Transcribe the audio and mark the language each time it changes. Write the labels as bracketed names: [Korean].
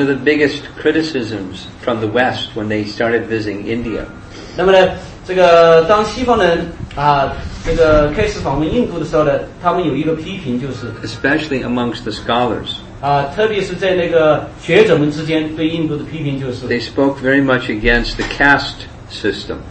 [English] of the biggest criticisms from the West when they started visiting India. [Chinese] 那么呢，这个当西方人开始访问印度的时候呢，他们有一个批评就是 [English] especially amongst the scholars [Chinese] 特别是在那个学者们之间对印度的批评就是 [English] they spoke very much against the caste system